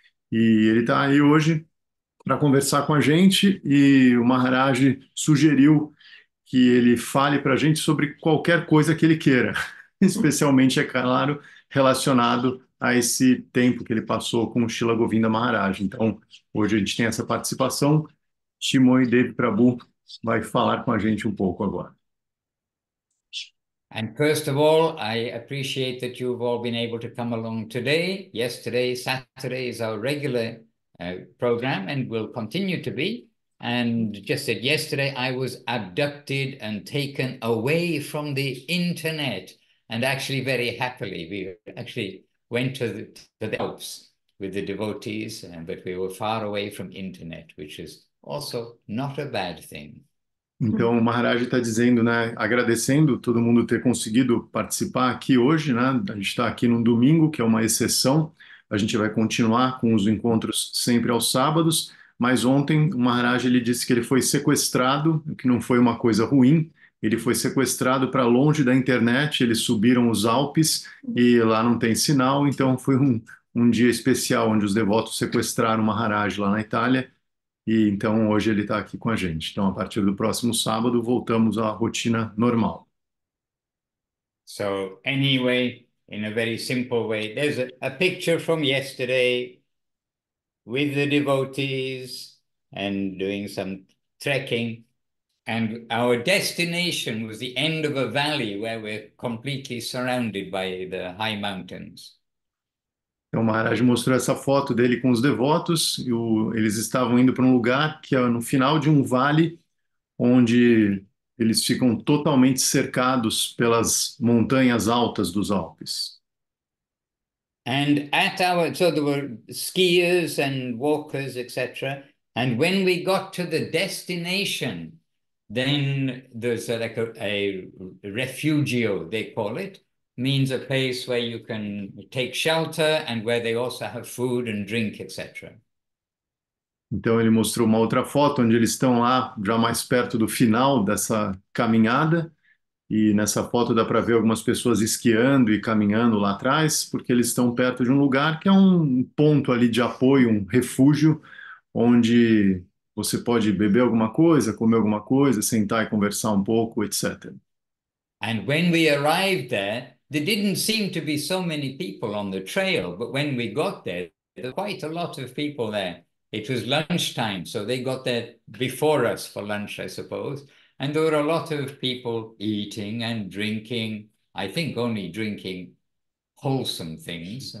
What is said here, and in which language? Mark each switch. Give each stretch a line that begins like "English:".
Portuguese: E ele está aí hoje para conversar com a gente, e o Maharaj sugeriu que ele fale para a gente sobre qualquer coisa que ele queira, especialmente, é claro, relacionado a esse tempo que ele passou com o Srila Govinda Maharaj. Então, hoje a gente tem essa participação. Chinmoy Dev Prabhu vai falar com a gente um pouco agora.
English: And first of all, I appreciate that you've all been able to come along today. Yesterday, Saturday is our regular program and will continue to be. And just that yesterday I was abducted and taken away from the internet, and actually very happily. We actually went to the Alps with the devotees, but we were far away from internet, which is also not a bad thing.
Portuguese: Então, o Maharaj está dizendo, né, agradecendo todo mundo ter conseguido participar aqui hoje, né? A gente está aqui num domingo, que é uma exceção. A gente vai continuar com os encontros sempre aos sábados, Mas ontem o Maharaj ele disse que ele foi sequestrado, que não foi uma coisa ruim. Ele foi sequestrado para longe da internet, eles subiram os Alpes e lá não tem sinal. Então foi um dia especial onde os devotos sequestraram o Maharaj lá na Itália. E então hoje ele está aqui com a gente. Então a partir do próximo sábado voltamos à rotina normal.
English: So anyway, in a very simple way, there's a picture from yesterday with the devotees and doing some trekking. And our destination was the end of a valley where we're completely surrounded by the high mountains.
Portuguese: Então, o Maharaj mostrou essa foto dele com os devotos e eles estavam indo para um lugar que é no final de um vale onde eles ficam totalmente cercados pelas montanhas altas dos Alpes.
English: And at our, so there were skiers and walkers, etc. And when we got to the destination, then there's like a refugio, they call it, means a place where you can take shelter and where they also have food and drink, etc.
Portuguese: Então ele mostrou uma outra foto onde eles estão lá, já mais perto do final dessa caminhada. E nessa foto dá para ver algumas pessoas esquiando e caminhando lá atrás, porque eles estão perto de um lugar que é um ponto ali de apoio, um refúgio, onde você pode beber alguma coisa, comer alguma coisa, sentar e conversar um pouco, etc.
English: And when we arrived there, there didn't seem to be so many people on the trail, but when we got there, there were quite a lot of people there. It was lunchtime, so they got there before us for lunch, I suppose. And there were a lot of people eating and drinking, I think only drinking wholesome things.